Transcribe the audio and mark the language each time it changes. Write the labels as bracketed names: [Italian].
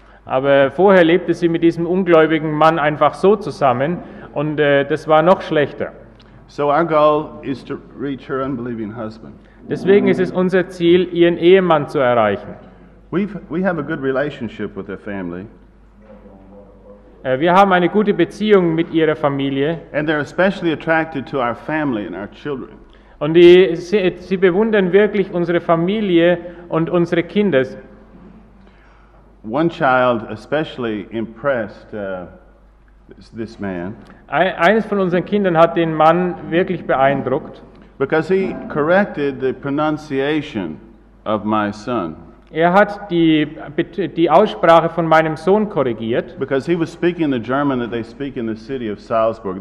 [German] Aber vorher lebte sie mit diesem ungläubigen Mann einfach so zusammen. Und das war noch schlechter. [English] So our goal is to reach her unbelieving husband. [German] Deswegen ist es unser Ziel, ihren Ehemann zu erreichen. [English] We have a good relationship with her family. [German] Wir haben eine gute Beziehung mit ihrer Familie. [English] And they're especially attracted to our family and our children. [German] Und die, sie bewundern wirklich unsere Familie und unsere Kinder. [English] One child especially impressed this man. [German] Eines von unseren Kindern hat den Mann wirklich beeindruckt. [English] Because he corrected the pronunciation of my son. [German] Er hat die Aussprache von meinem Sohn korrigiert. [English] Because he was speaking the German that they speak in the city of Salzburg.